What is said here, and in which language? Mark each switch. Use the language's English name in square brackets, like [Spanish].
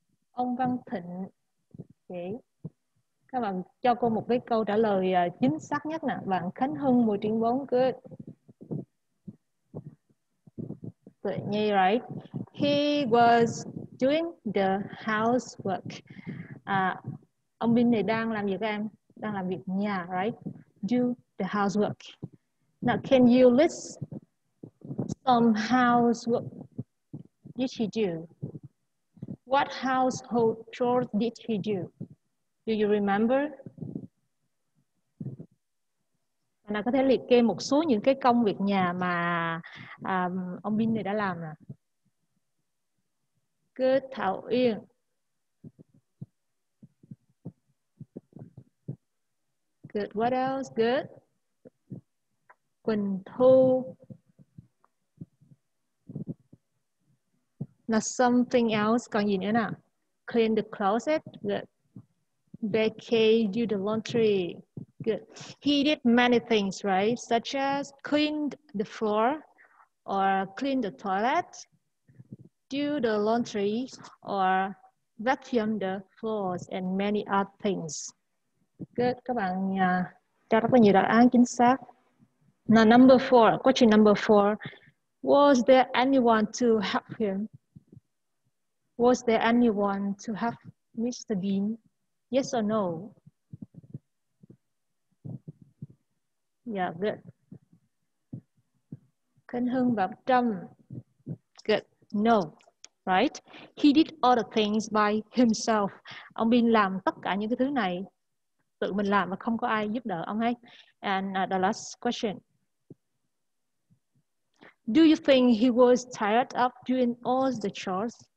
[Vietnamese] Ông Văn Thịnh. Okay. Các bạn cho cô một cái câu trả lời chính xác nhất nè. Bạn Khánh Hưng 10.4. Good. Tự nhiên, [English] right? He was doing the housework. [Vietnamese] Ông Bình này đang làm việc em. Đang làm việc nhà, right? [English] Do the housework. Now, can you list some housework did he do? What household chores did he do? Do you remember? [Vietnamese] Bạn có thể liệt kê một số những cái công việc nhà mà ông Bin này đã làm à? Cứ Thảo Yên. [English] Good. What else? Good. Quỳnh Thu. Now something else, [Vietnamese] còn gì nữa nào? [English] Clean the closet, good. Vacay, do the laundry, good. He did many things, right? Such as cleaned the floor, or clean the toilet, do the laundry, or vacuum the floors, and many other things. [Vietnamese] Good, các bạn cho rất là nhiều đáp án chính xác. [English] Now number four, question number four. Was there anyone to help him? Was there anyone to help Mr. Bean? Yes or no? Yeah, good. Khánh Hưng và Trâm. Good. No. Right? He did all the things by himself. [Vietnamese] Ông Bean làm tất cả những cái thứ này. Tự mình làm và không có ai giúp đỡ ông ấy. [English] And the last question. Do you think he was tired of doing all the chores?